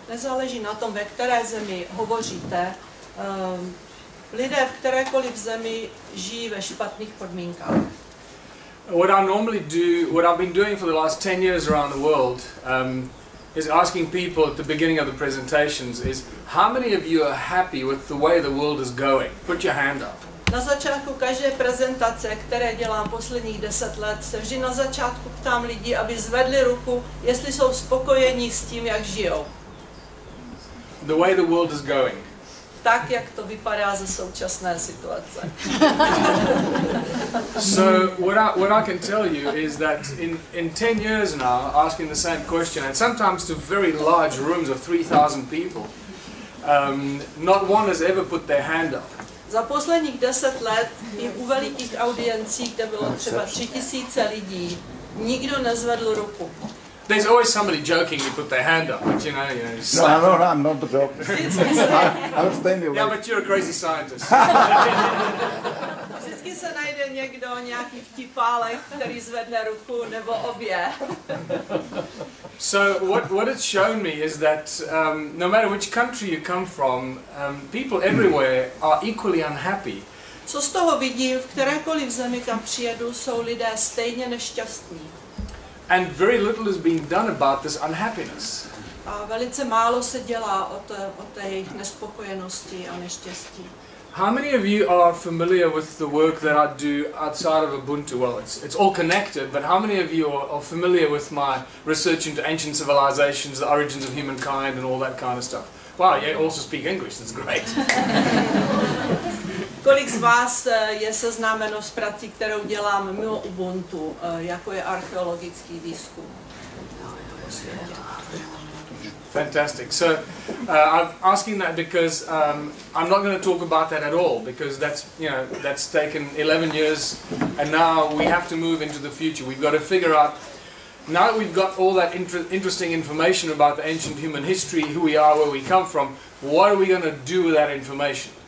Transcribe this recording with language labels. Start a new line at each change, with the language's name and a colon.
Czech: Nezáleží na tom, ve které zemi hovoříte. Lidé v kterékoliv zemi žijí ve špatných podmínkách.
English: What I've been doing for the last 10 years around the world, is asking people at the beginning of the presentations is, how many of you are happy with the way the world is going? Put your hand up.
Czech: Na začátku každé prezentace, které dělám posledních 10 let, se vždy na začátku ptám lidi, aby zvedli ruku, jestli jsou spokojení s tím, jak žijou.
English: The way the world is going.
Czech: Tak, jak to vypadá ze současné situace.
English: So what I can tell you is that in 10 years now, asking the same question, and sometimes to very large rooms of 3,000 people, not one has ever put their hand up.
Czech: Za posledních 10 let i u velikých audiencí, kde bylo třeba 3000 lidí, nikdo nezvedl ruku.
English: There's always somebody joking you put their hand up, but I'm not the joking. I'm standing away. Yeah, but you're a crazy scientist.
Czech: Vždycky se najde někdo, nějaký vtipálek, který zvedne ruku, nebo obě.
English: So what it's shown me is that no matter which country you come from, people everywhere are equally unhappy.
Czech: Co z toho vidím, v kterékoliv zemi, kam přijedu, jsou lidé stejně nešťastní.
English: And very little is being done about this unhappiness.
Czech: A velice málo se dělá o té jejich nespokojenosti a neštěstí.
English: How many of you are familiar with the work that I do outside of Ubuntu? Well, it's all connected, but how many of you are familiar with my research into ancient civilizations, the origins of humankind and all that kind of stuff? Wow, you also speak English, that's great.
Czech: Kolik z vás je seznámeno s prací, kterou dělám mimo Ubuntu, jako je archeologický výzkum?
English: Fantastic. So I'm asking that because I'm not going to talk about that at all, because that's taken 11 years and now we have to move into the future. We've got to figure out, now that we've got all that interesting information about the ancient human history, who we are, where we come from, what are we going to do with that information?